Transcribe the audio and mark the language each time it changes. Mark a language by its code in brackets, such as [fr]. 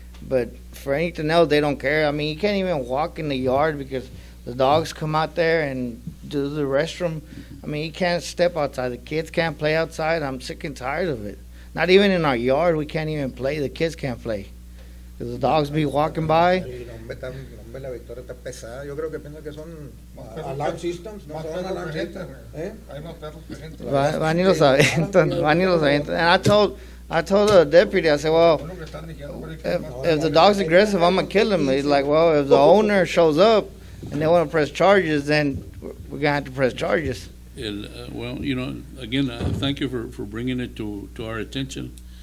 [en] But for anything else, they don't care. I mean, you can't even walk in the yard because the dogs come out there and do the restroom. I mean, you can't step outside. The kids can't play outside. I'm sick and tired of it. Not even in our yard, we can't even play. The kids can't play. Because the dogs be walking by. [es] La Victoria está pesada. Yo creo que pienso que son alarm systems. No son alarm systems. Van y los avientan. Van y los avientan. [en] And I told the deputy, I said, well, if the dog's aggressive, I'm going to kill him. He's like, well, if the owner shows up and they want to press charges, then we're going to have to press charges. And, well, you know, again, thank you for bringing it to our attention.